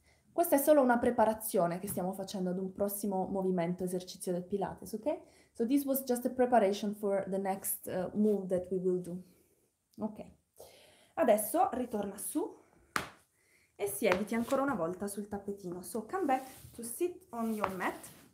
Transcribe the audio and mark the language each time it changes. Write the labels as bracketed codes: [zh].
[it] Questa è solo una preparazione che stiamo facendo ad un prossimo movimento esercizio del Pilates, ok? [en] So this was just a preparation for the next move that we will do. Ok. [it] Adesso ritorna su e siediti ancora una volta sul tappetino. [en] So come back to sit on your mat.